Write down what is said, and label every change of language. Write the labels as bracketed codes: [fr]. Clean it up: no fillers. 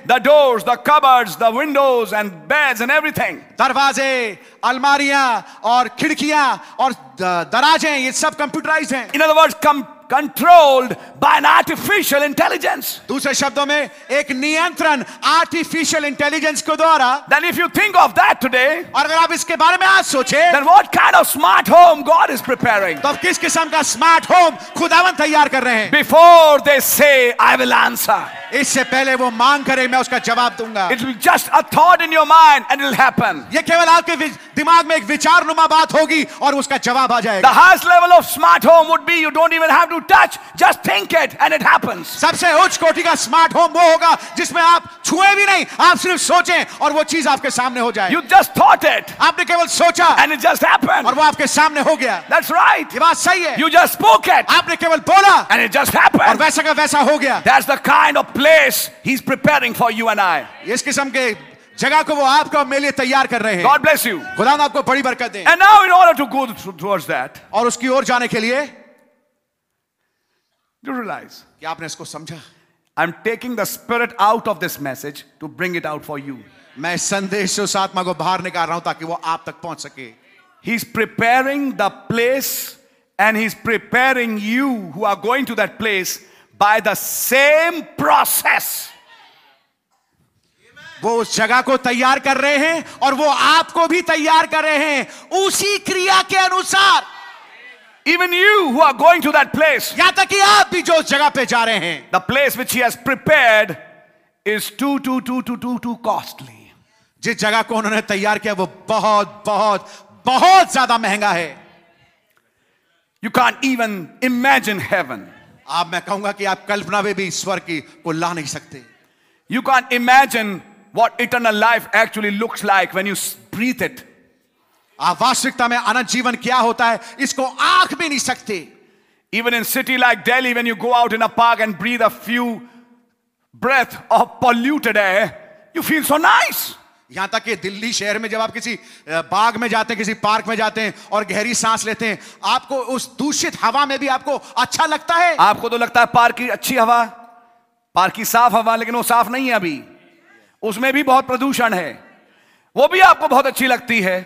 [en] The doors, the cupboards, the windows and beds and everything. [hi] दरवाजे, अलमारियां और खिड़कियां और दराजे, ये सब कंप्यूटराइज्ड हैं. [en] In other words, controlled by an artificial intelligence. [hi] दूसरे शब्दों में एक नियंत्रण artificial intelligence के द्वारा. [en] Then if you think of that today, [hi] और अगर आप इसके बारे में आज सोचे, [en] then what kind of smart home God is preparing? [hi] तो किस किस्म का smart home खुदावन तैयार कर रहे हैं? [en] Before they say, I will answer. [hi] इससे पहले वो मांग करे, मैं उसका जवाब दूंगा. [en] It will just a thought in your mind and it'll happen. [hi] ये केवल आपके दिमाग में एक विचार नुमा बात होगी और उसका जवाब आ जाएगा. [en] The highest level of smart home would be you don't even have to touch, just think it and it happens. [hi] सबसे उच्च कोटि का स्मार्ट होम वो होगा जिसमें आप छुए भी नहीं, आप सिर्फ सोचें और वो चीज आपके सामने हो जाए. [en] You just thought it. [hi] आपने केवल सोचा. [en] And it just happened. [hi] और वो आपके सामने हो गया. [en] That's right. [hi] ये बात सही है. [en] You just spoke it. [hi] आपने केवल बोला. [en] And it just happened. [hi] और वैसा का वैसा हो गया. [en] That's the kind of place he's preparing for you and I. [hi] इस किस्म के जगह को वो आपको मेरे लिए तैयार कर रहे हैं. [en] God bless you. [hi] खुदा आपको बड़ी बरकत दे. [en] And now in order to go towards that, [hi] और उसकी ओर जाने के लिए, [en] you realize, [hi] कि आपने इसको समझा, [en] I'm taking the spirit out of this message to bring it out for you. [hi] मैं संदेश जो साथ मां को बाहर निकाल रहा हूं ताकि वो आप तक पहुंच सके. [en] He's preparing the place and he's preparing you who are going to that place by the same process. [hi] वो उस जगह को तैयार कर रहे हैं और वो आपको भी तैयार कर रहे हैं उसी क्रिया के अनुसार. [en] Even you who are going to that place, [hi] यहां तक कि आप भी जो उस जगह पे जा रहे हैं, [en] the place which he has prepared is too costly. [hi] जिस जगह को उन्होंने तैयार किया वो बहुत बहुत बहुत ज्यादा महंगा है. [en] You can't even imagine heaven. [hi] आप मैं कहूंगा कि आप कल्पना में भी स्वर्ग की को ला नहीं सकते. [en] You can't imagine what eternal life actually looks like when you breathe it. [hi] वास्तविकता में अनंत जीवन क्या होता है इसको आंख भी नहीं सकते. [en] Even in city like Delhi, when you go out in a park and breathe a few breath of polluted air, you feel so nice. [hi] यहां तक कि दिल्ली शहर में जब आप किसी बाग में जाते हैं, किसी पार्क में जाते हैं और गहरी सांस लेते हैं, आपको उस दूषित हवा में भी आपको अच्छा लगता है. आपको तो लगता है पार्क की अच्छी हवा, पार्क की साफ हवा, लेकिन वो साफ नहीं है अभी, उसमें भी बहुत प्रदूषण है, वो भी आपको बहुत अच्छी लगती है.